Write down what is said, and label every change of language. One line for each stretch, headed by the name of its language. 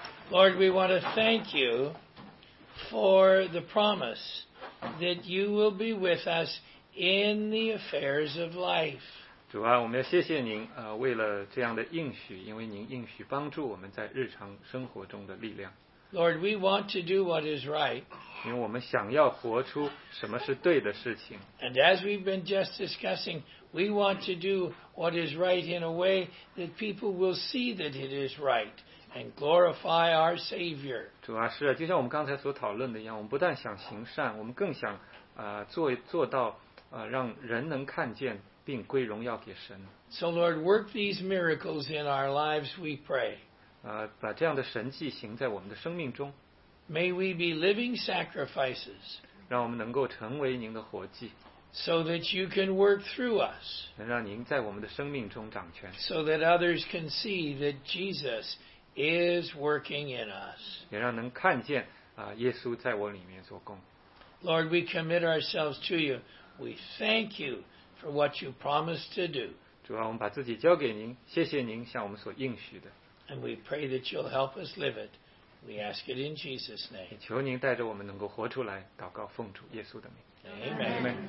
English: Lord, we want to thank you for the promise that you will be with us in the affairs of life.
Chinese: 主啊，我们要谢谢您，为了这样的应许，因为您应许帮助我们在日常生活中的力量。
English: Lord, we want to do what is right.
Chinese: 因为我们想要活出什么是对的事情。
English: And as we've been just discussing, we want to do what is right in a way that people will see that it is right and glorify our Savior.
Chinese: 主啊，是啊，就像我们刚才所讨论的一样，我们不但想行善，我们更想，做到，让人能看见。并归荣耀给神。
English: So Lord, work these miracles in our lives, we pray.
Chinese: 把这样的神迹行在我们的生命中。
English: May we be living sacrifices.
Chinese: 让我们能够成为您的活祭。
English: So that you can work through us.
Chinese: 能让您在我们的生命中掌权。
English: So that others can see that Jesus is working in us.
Chinese: 也让能看见，耶稣在我里面做工。
English: Lord, we commit ourselves to you. We thank you. For what you promised to do.
Chinese: 主啊，我们把自己交给您，谢谢您向我们所应许的。
English: And we pray that you'll help us live it. We ask it in Jesus' name.
Chinese: 求您带着我们能够活出来，祷告奉主耶稣的名。